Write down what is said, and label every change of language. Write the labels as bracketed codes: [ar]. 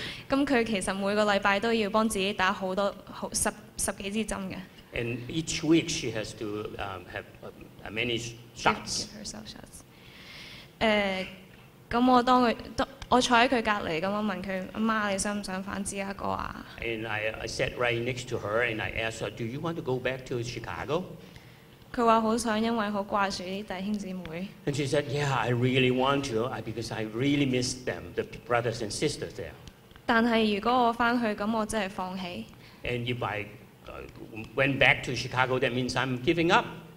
[yue] 咁佢其實每個禮拜都要幫自己打好多好十幾支針嘅。 [en] And each week she has to have many shots. Give herself shots. [yue] 咁我當佢我坐喺佢隔離，咁我問佢阿媽，你想唔想翻芝加哥啊 [en] ？And I sat right next to her, and I asked her, "Do you want to go back to Chicago?" [yue] 佢話好想，因為好掛住啲弟兄姊妹。 [en] And she said, "Yeah, I really want to, because I really miss them, the brothers and sisters there." [yue] 但係如果我翻去，咁我真係放棄。 [en] And if I went back to Chicago, that means I'm giving up.